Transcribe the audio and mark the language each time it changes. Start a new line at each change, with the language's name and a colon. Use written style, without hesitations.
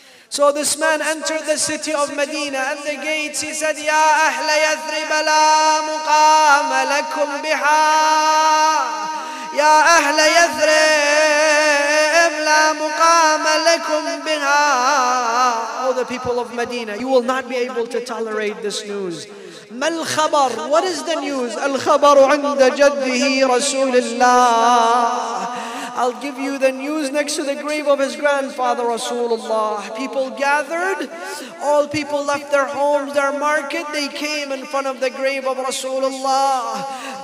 English: So this man entered the city of Medina, and the gates, he said,
Arabic: Ya Ahla Yathrib la muqam lakum biha. يا أهل يثرب لا مقام لكم بها.
English: Oh, the people of Medina, you will not be able to tolerate this news.
Arabic: ما الخبر?
English: What is the news?
Arabic: الخبر عند جده رسول الله.
English: I'll give you the news next to the grave of his grandfather, Rasulullah. People gathered, all people left their homes, their market, they came in front of the grave of Rasulullah.